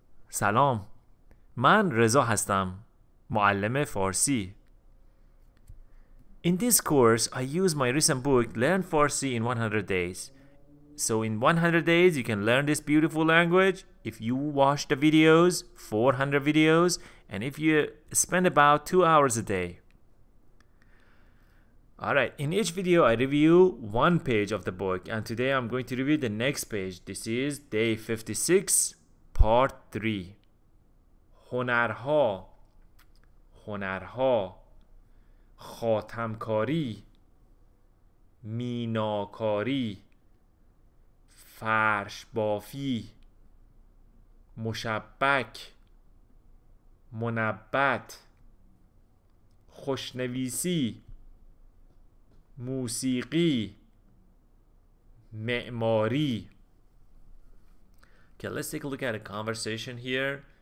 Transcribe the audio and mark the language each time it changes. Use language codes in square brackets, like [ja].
[fa] سلام، من رضا هستم، معلم فارسی. [en] In this course, I use my recent book, Learn Farsi in 100 Days. So in 100 days, you can learn this beautiful language if you watch the videos, 400 videos, and if you spend about 2 hours a day. Alright, in each video, I review one page of the book, and today I'm going to review the next page. This is Day 56, Part 3. [fa] هنرها هنرها خاتمکاری میناکاری فرش بافی مشبک منبت خوشنویسی موسیقی معماری. [en] Okay, let's take a look at a conversation here.